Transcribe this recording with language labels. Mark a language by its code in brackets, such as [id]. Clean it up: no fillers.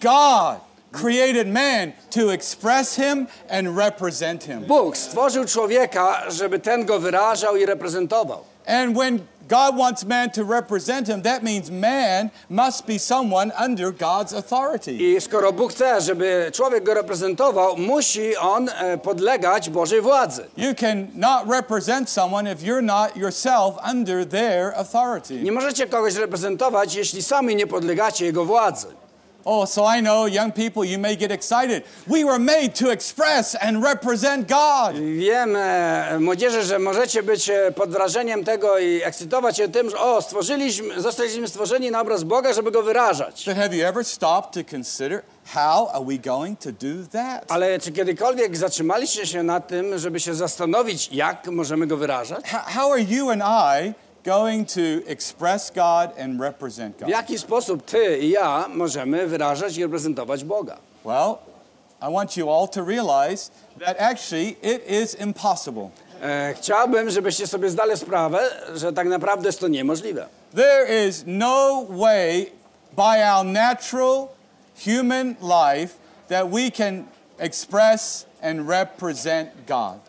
[en] God, created man to express him and represent him. [pl] Bóg stworzył człowieka, żeby ten go wyrażał i reprezentował. [en] And when God wants man to represent him, that means man must be someone under God's authority. [pl] I skoro Bóg chce, żeby człowiek go reprezentował, musi on podlegać Bożej władzy. [en] You cannot represent someone if you're not yourself under their authority. [pl] Nie możecie kogoś reprezentować, jeśli sami nie podlegacie jego władzy. [en] Oh, so I know, young people, you may get excited. We were made to express and represent God. [pl] Wiem, młodzieży, że możecie być pod wrażeniem tego i ekscytować się tym, że o, zostaliśmy stworzeni na obraz Boga, żeby go wyrażać. [en] But have you ever stopped to consider how are we going to do that? [pl] Ale czy kiedykolwiek zatrzymaliście się na tym, żeby się zastanowić, jak możemy go wyrażać? [en] How are you and I going to express God and represent God? [pl] W jaki sposób ty i ja możemy wyrażać i reprezentować Boga? [en] Well, I want you all to realize that actually it is impossible. [pl] Chciałbym, żebyście sobie zdali sprawę, że tak naprawdę jest to niemożliwe. [en] There is no way by our natural human life that we can express and represent God.